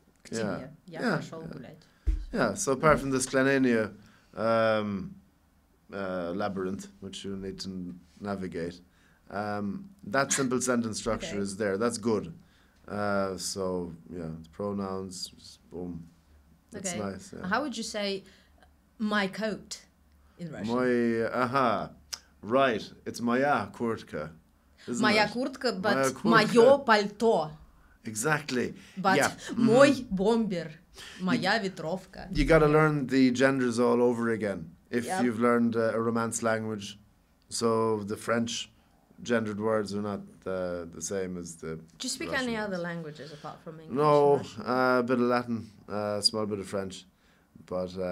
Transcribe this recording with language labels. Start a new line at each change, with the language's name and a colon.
English: So apart from this Clenania, labyrinth, which you need to navigate, that simple sentence structure is there. That's good. So yeah, the pronouns, just boom. That's okay. Nice. Yeah. How would you say my coat in Russian? Right. It's
Russian: моя куртка. Моя куртка, but моё пальто.
English: Exactly. But yeah.
Russian: Мой бомбер, моя ветровка.
English: You got to learn the genders all over again if you've learned a Romance language. So the French gendered words are not the same as the. Do you speak Russian any words. Other languages apart from English? No, a bit of Latin, a small bit of French, but.